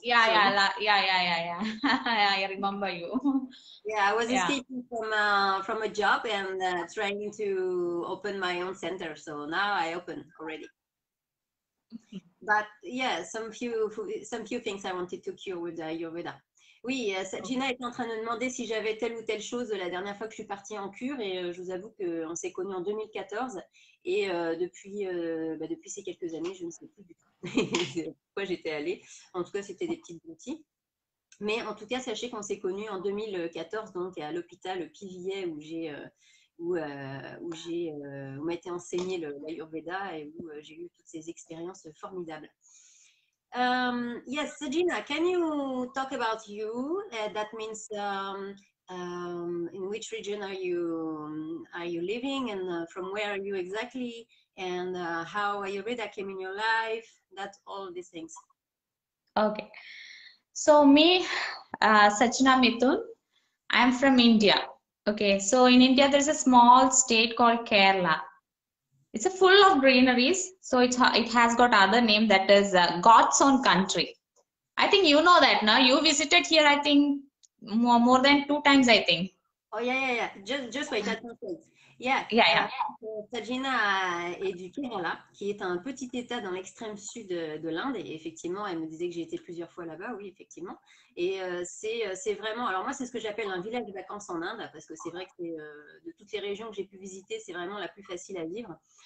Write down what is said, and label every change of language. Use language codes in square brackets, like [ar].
[en] Yeah, so, yeah. I remember you. Yeah, I was escaping from a job and trying to open my own center. So now I open already. But yeah, some few things I wanted to cure with Ayurveda. [fr] Oui, Sajina était en train de me demander si j'avais telle ou telle chose la dernière fois que je suis partie en cure et je vous avoue qu'on s'est connus en 2014 et depuis ces quelques années, je ne sais plus du tout pourquoi j'étais allée. En tout cas, c'était des petites boutiques. Mais en tout cas, sachez qu'on s'est connus en 2014, donc à l'hôpital Privé où m'a été enseigné l'Ayurveda et où j'ai eu toutes ces expériences formidables. [en] Yes, Sajina, can you talk about you? That means in which region are you living and from where are you exactly? And how Ayurveda came in your life? That's all these things. Okay. So me, Sajina Mithun, I'm from India. Okay. So in India, there's a small state called Kerala. It's a full of greeneries, so it has got other name that is God's own country. I think you know that, no? You visited here, I think, more than two times, I think. Oh, yeah. Just wait, that's not it. Yeah. [fr] Sajina est du Kerala, qui est un petit état dans l'extrême sud de l'Inde. Et effectivement, elle me disait que j'ai été plusieurs fois là-bas, oui, effectivement. Et c'est vraiment, alors moi, c'est ce que j'appelle un village de vacances en Inde, parce que c'est vrai que c'est, de toutes les régions que j'ai pu visiter, c'est vraiment la plus facile à vivre.